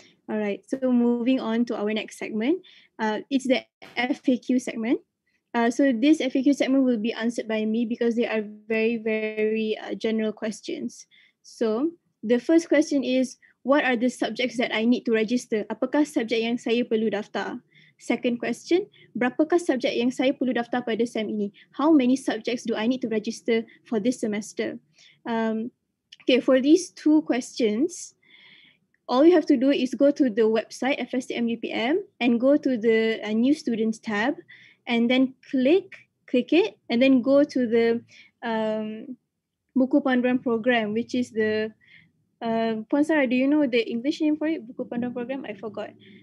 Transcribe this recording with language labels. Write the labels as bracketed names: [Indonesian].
[English] All right, so moving on to our next segment. It's the FAQ segment. So this FAQ segment will be answered by me because they are very, very general questions. So the first question is, what are the subjects that I need to register? [Malay] Apakah subjek yang saya perlu daftar? [English] Second question, [Malay] berapakah subjek yang saya perlu daftar pada SEM ini? [English] How many subjects do I need to register for this semester? Okay, for these two questions, all you have to do is go to the website FSTM UPM and go to the new students tab and then click it and then go to the Buku Panduan Program, which is the Puan Sarah, do you know the English name for it? Buku Panduan Program? I forgot.